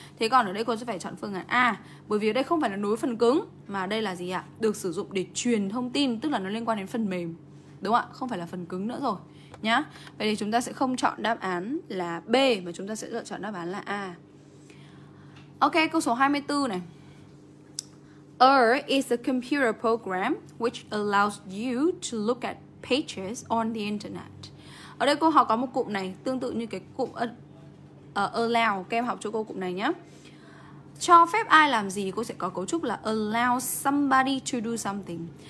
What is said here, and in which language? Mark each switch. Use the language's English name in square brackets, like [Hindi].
[Vietnamese] Thế còn ở đây cô sẽ phải chọn phương án A, bởi vì ở đây không phải là nối phần cứng mà đây là gì ạ? Được sử dụng để truyền thông tin, tức là nó liên quan đến phần mềm, đúng không ạ? Không phải là phần cứng nữa rồi nhá. Vậy thì chúng ta sẽ không chọn đáp án là B mà chúng ta sẽ lựa chọn đáp án là A. Ok, câu số 24 này. [English] Is a computer program which allows you to look at pages on the internet. [Vietnamese] Ở đây cô học có một cụm này tương tự như cái cụm allow. Các em học cho cô cụm này nhé. Cho phép ai làm gì, cô sẽ có cấu trúc là [English] allow somebody to do something.